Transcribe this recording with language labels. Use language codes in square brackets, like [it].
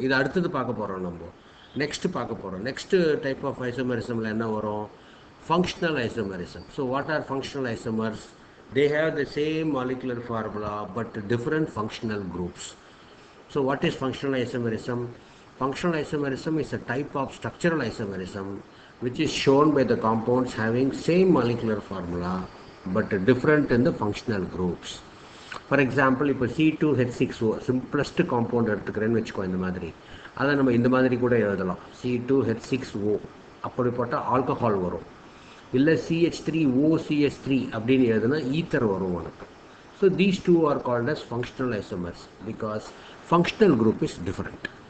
[ta] இது அடுத்தது பார்க்க போகிறோம், நம்ம நெக்ஸ்ட்டு பார்க்க போகிறோம். நெக்ஸ்ட்டு டைப் ஆஃப் ஐசோமரிசமில் என்ன வரும், functional isomerism. [en] So what are functional isomers, they have the same molecular formula but different functional groups. So what is functional isomerism, functional isomerism is a type of structural isomerism which is shown by the compounds having same molecular formula but different in the functional groups. For example, if a C2H6O, simplest compound [ta] எடுத்துக்கிறேன் வச்சுக்கோ, இந்த மாதிரி அதை நம்ம இந்த மாதிரி கூட எழுதலாம், C2H6O அப்படி போட்டால் ஆல்கஹால் வரும், இல்லை CH3OCH3 அப்படின்னு எழுதுனா ஈத்தர் வரும் உனக்கு. [en] So these two are called as functional isomers because functional group is different.